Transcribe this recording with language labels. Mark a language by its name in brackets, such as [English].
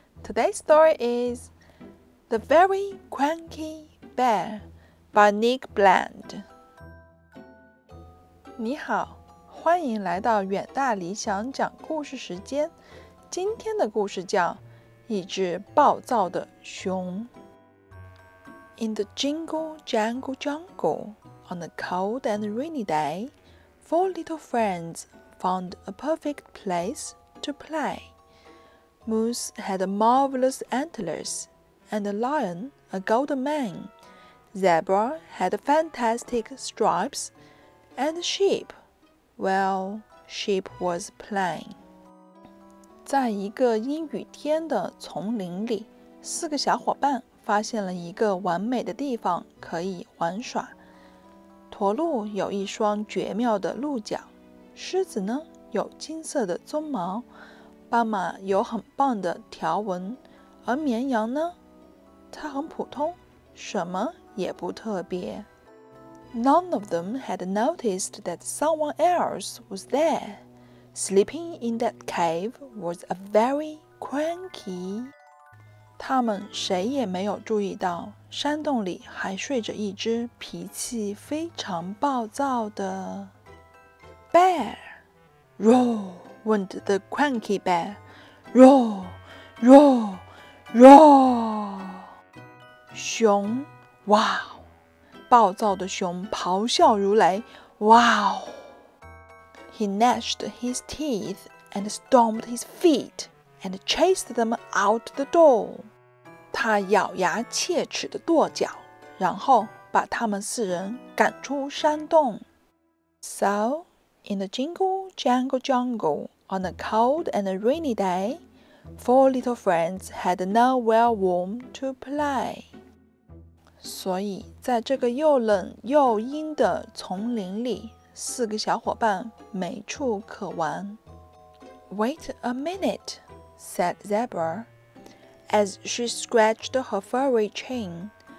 [English] Today's story is The Very Cranky Bear by Nick Bland. [Chinese] 你好，欢迎来到远大理想讲故事时间。今天的故事叫一只暴躁的熊。 [English] In the jingle jangle jungle, on a cold and rainy day, four little friends found a perfect place to play. Moose had marvelous antlers, and a lion a golden mane. Zebra had fantastic stripes, and sheep, well, sheep was plain. [Chinese] 在一个阴雨天的丛林里，四个小伙伴发现了一个完美的地方可以玩耍。驼鹿有一双绝妙的鹿角，狮子呢有金色的鬃毛，斑马有很棒的条纹，而绵羊呢，它很普通，什么也不特别。 [English] None of them had noticed that someone else was there. Sleeping in that cave was a very cranky. [Chinese] 他们谁也没有注意到，山洞里还睡着一只脾气非常暴躁的。 [English] Bear, roar, went the cranky bear. Roar, roar, roar. [Chinese] 熊，哇！暴躁的熊咆哮如雷，哇哦！ [English] He gnashed his teeth and stomped his feet and chased them out the door. [Chinese] 他咬牙切齿地跺脚，然后把他们四人赶出山洞。 [English] So. In the jingle jangle jungle, on a cold and a rainy day, four little friends had nowhere warm to play. [Chinese] 所以在这个又冷又阴的丛林里，四个小伙伴没处可玩。 [English] Wait a minute, said Zebra, as she scratched her furry chin.